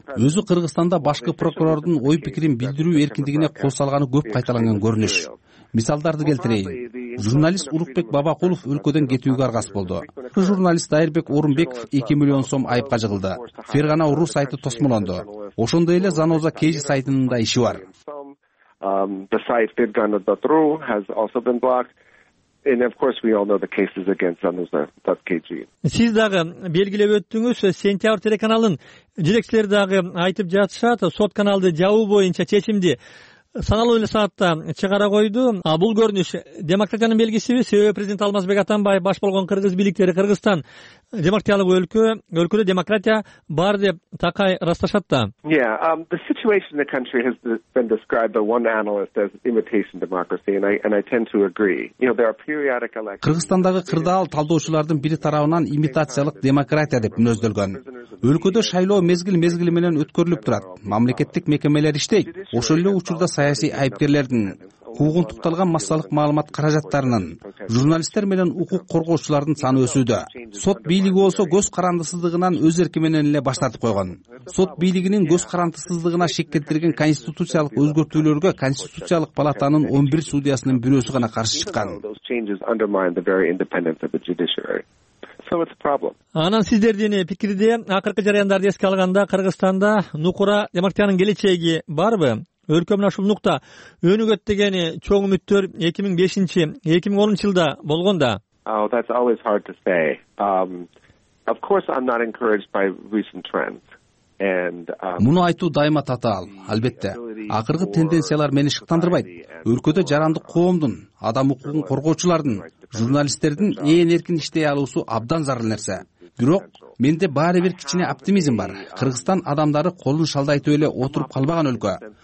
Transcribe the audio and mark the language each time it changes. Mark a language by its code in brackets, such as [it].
[ky] Өзү Кыргызстанда башкы прокурордун ой пикирин билдирүү эркиндигине кол салганы көп кайталанган көрүнүш. Мисалдарды келтирейин. Журналист Урукбек Бабакулов өлкөдөн кетүүгө аргас болду. Журналист Айырбек Орунбеков 2 миллион сом айыпка жыгылды. Фергана Уру сайты тосмолонду. Ошондой эле Заноза КЖ сайтынын да иши бар. [en] The site Fergana.ru has also been blocked. And of course we all know the cases against Zanoza.kg. [ky] Сиз дагы белгилеп өттүңүз, сентябрь телеканалын жетекчилери дагы айтып жатышат, сот каналды жабуу боюнча чечимди саналуу эле саатта чыгара койду. А бул көрүнүш демократиянын белгисиби? Себеби президент Алмазбек Атамбаев баш болгон кыргыз бийликтери Кыргызстан демократиялык өлкө, өлкөдө демократия бар деп такай расташат да. [en] The situation in the country has been described by one analyst as imitation democracy and I tend to agree. You know, there are periodic elections. [ky] Кыргызстандагы кырдаал талдоочулардын бири тарабынан имитациялык демократия деп мүнөздөлгөн. Өлкөдө шайлоо мезгил-мезгил менен өткөрүлүп турат. Мамлекеттик мекемелер иштейт. Ошол эле учурда саясий айыпкерлердин куугунтукталган массалык маалымат каражаттарынын, журналисттер менен укук коргоочулардын саны өсүүдө. Сот бийлиги болсо көз карандысыздыгынан өз эрки менен эле баш тартып койгон. Сот бийлигинин көз карандысыздыгына шек келтирген конституциялык өзгөртүүлөргө конституциялык палатанын 11 судьясынын бирөөсү гана каршы чыккан. [en] So it's a problem. [ky] Анан сиздердин пикирде акыркы жараяндарды эске алганда Кыргызстанда нукура демократиянын келечеги барбы? Өлкө мына ушул нукта өнүгөт деген чоң үмүттөр 2005-2010 жылда болгон да. [en] Oh, that's always hard to say. Of course I'm not encouraged by recent trends. [ky] Муну айтуу дайыма татаал. Албетте, акыркы тенденциялар мени шыктандырбайт. Өлкөдө жарандык коомдун, адам укугун коргоочулардын, журналисттердин ээн эркин иштей алуусу абдан зарыл нерсе. Бирок менде баары бир кичине оптимизм бар. Кыргызстан адамдары колун шалдайтып эле отуруп калбаган өлкө.